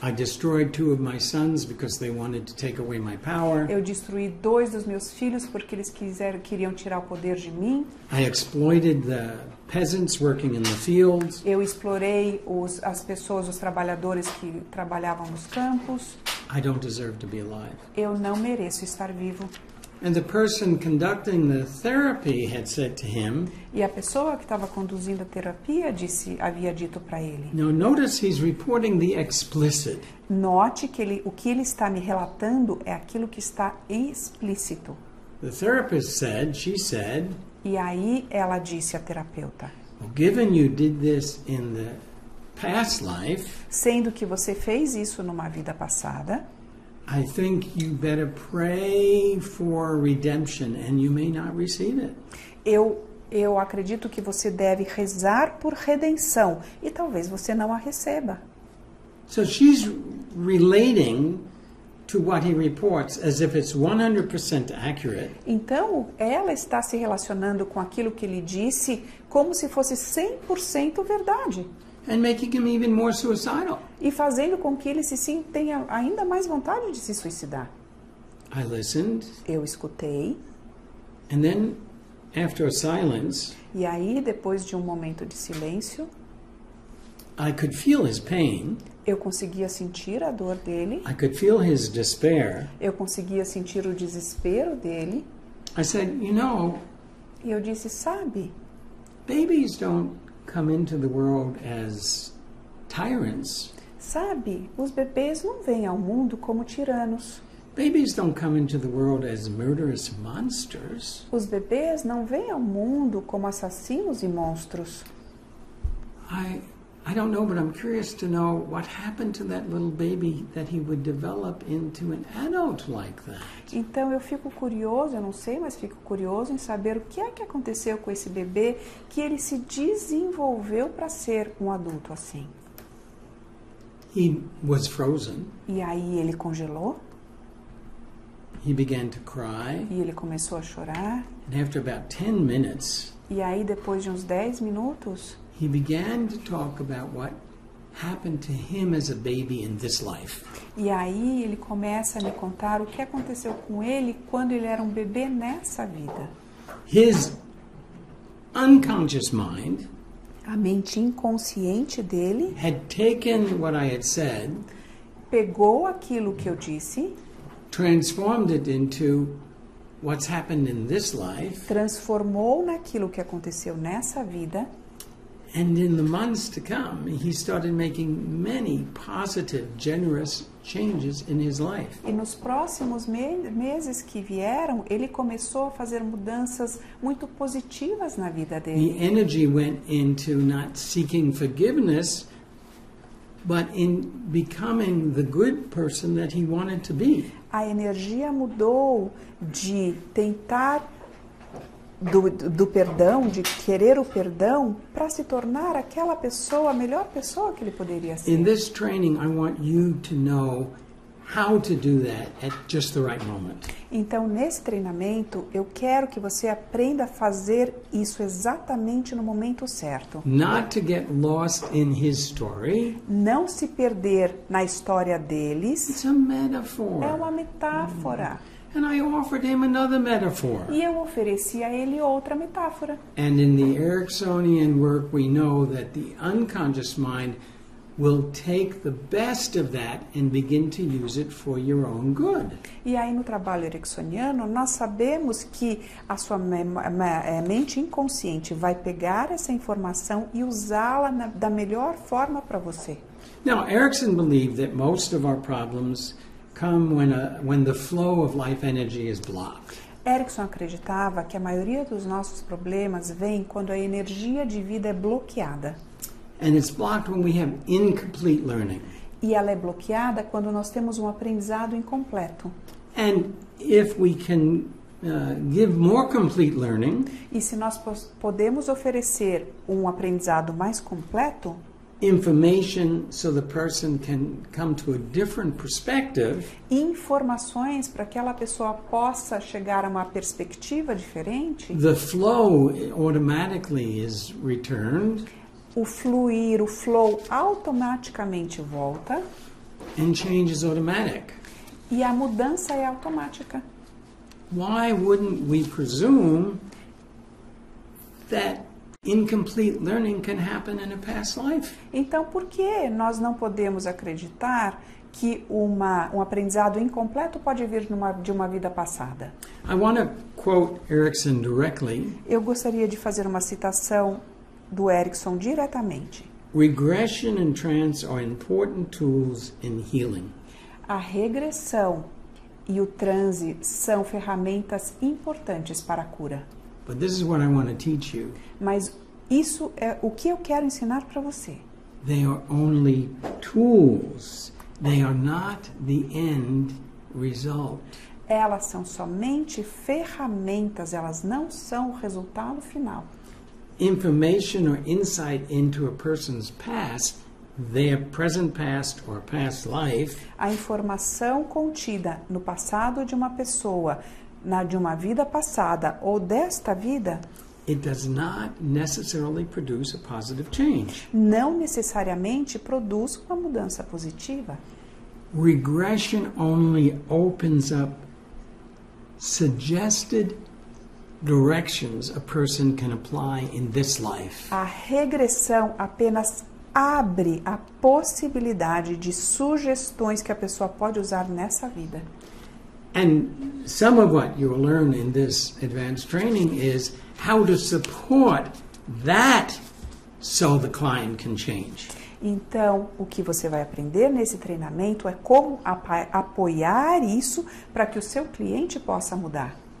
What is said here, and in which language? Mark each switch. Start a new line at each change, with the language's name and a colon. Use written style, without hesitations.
English: I destroyed two of my sons because they wanted to take away my power.
Portuguese: Eu destruí dois dos meus filhos porque eles queriam tirar o poder de mim.
English: I exploited the peasants working in the fields.
Portuguese: Eu explorei as pessoas, os trabalhadores que trabalhavam nos campos.
English: I don't deserve to be alive.
Portuguese: Eu não mereço estar vivo.
English: And the person conducting the therapy had said to him.
Portuguese: E a pessoa que estava conduzindo a terapia disse, havia dito para ele.
English: Now notice he's reporting the explicit.
Portuguese: Note que ele, o que ele está me relatando é aquilo que está explícito.
English: The therapist said, she said.
Portuguese: E aí ela disse à terapeuta.
English: Well, given you did this in the past life.
Portuguese: Sendo que você fez isso numa vida passada.
English: I think you better pray for redemption and you may not receive it.
Portuguese: Eu acredito que você deve rezar por redenção e talvez você não a receba.
English: So she's relating to what he reports as if it's 100% accurate.
Portuguese: Então ela está se relacionando com aquilo que ele disse como se fosse 100% verdade.
English: And making him even more suicidal.
Portuguese: E fazendo com que ele se sinta tenha ainda mais vontade de se suicidar.
English: I listened.
Portuguese: Eu escutei.
English: And then After a silence,
Portuguese: e aí, depois de um momento de silêncio,
English: I could feel his pain.
Portuguese: Eu conseguia sentir a dor dele.
English: I could feel his despair.
Portuguese: Eu conseguia sentir o desespero dele.
English: I said, you know,
Portuguese: e eu disse, sabe,
English: babies don't come into the world as tyrants.
Portuguese: Sabe, os bebês não vêm ao mundo como tiranos.
English: Babies don't come into the world as murderous monsters.
Portuguese: Os bebês não vêm ao mundo como assassinos e monstros.
English: I don't know, but I'm curious to know what happened to that little baby that he would develop into an adult like that.
Portuguese: Então eu fico curioso, eu não sei, mas fico curioso em saber o que é que aconteceu com esse bebê que ele se desenvolveu para ser um adulto assim.
English: He was frozen.
Portuguese: E aí ele congelou.
English: He began to cry.
Portuguese: E ele começou a chorar.
English: And after about 10 minutes,
Portuguese: e aí depois de uns 10 minutos,
English: he began to talk about what happened to him as a baby in this life.
Portuguese: E aí ele começa a me contar o que aconteceu com ele quando ele era um bebê nessa vida.
English: His unconscious mind,
Portuguese: a mente inconsciente dele,
English: had taken what I had said,
Portuguese: pegou aquilo que eu disse,
English: transformed it into what's happened in this life,
Portuguese: transformou naquilo que aconteceu nessa vida.
English: And in the months to come, he started making many positive, generous changes in his life.
Portuguese: E nos próximos meses que vieram, ele começou a fazer mudanças muito positivas na vida dele.
English: The energy went into not seeking forgiveness, but in becoming the good person that he wanted to be.
Portuguese: A energia mudou de tentar do perdão, de querer o perdão, para se tornar aquela pessoa, a melhor pessoa que ele poderia ser.
English: In this training, I want you to know how to do that at just the right moment.
Portuguese: Então, nesse treinamento, eu quero que você aprenda a fazer isso exatamente no momento certo.
English: Not to get lost in his story.
Portuguese: Não se perder na história deles.
English: It's a metaphor.
Portuguese: É uma metáfora.
English: And I offered him another metaphor.
Portuguese: E eu ofereci a ele outra metáfora.
English: And in the Ericksonian work, we know that the unconscious mind will take the best of that and begin to use it for your own good.
Portuguese: E aí no trabalho ericksoniano, nós sabemos que a sua mente inconsciente vai pegar essa informação e usá-la da melhor forma para você.
English: Now, Erickson believed that most of our problems come when the flow of life energy is blocked.
Portuguese: Erickson acreditava que a maioria dos nossos problemas vem quando a energia de vida é bloqueada.
English: And it's blocked when we have incomplete learning.
Portuguese: E ela é bloqueada quando nós temos um aprendizado incompleto.
English: And if we can give more complete learning,
Portuguese: e se nós podemos oferecer um aprendizado mais completo,
English: information so the person can come to a different perspective,
Portuguese: informações para que aquela pessoa possa chegar a uma perspectiva diferente,
English: the flow automatically is returned,
Portuguese: o fluir, o flow automaticamente volta,
English: and change is automatic,
Portuguese: e a mudança é automática.
English: Why wouldn't we presume that incomplete learning can happen in a past life?
Portuguese: Então, por que nós não podemos acreditar que um aprendizado incompleto pode vir de uma vida passada?
English: I want to quote Erickson directly.
Portuguese: Eu gostaria de fazer uma citação do Erickson diretamente.
English: Regression and trance are important tools in healing.
Portuguese: A regressão e o transe são ferramentas importantes para a cura.
English: But this is what I want to teach you.
Portuguese: Mas isso é o que eu quero ensinar para você.
English: They are only tools. They are not the end result.
Portuguese: Elas são somente ferramentas, elas não são o resultado final.
English: Information or insight into a person's past, their present past or past life,
Portuguese: a informação contida no passado de uma pessoa, de uma vida passada ou desta vida,
English: it does not necessarily produce a positive change.
Portuguese: Não necessariamente produz uma mudança positiva.
English: Regression only opens up suggested directions a person can apply in this life.
Portuguese: A regressão apenas abre a possibilidade de sugestões que a pessoa pode usar nessa vida.
English: And some of what you will learn in this advanced training is how to support that so the client can change.
Portuguese: Então, o que você vai aprender nesse treinamento é como apoiar isso para que o seu cliente possa mudar.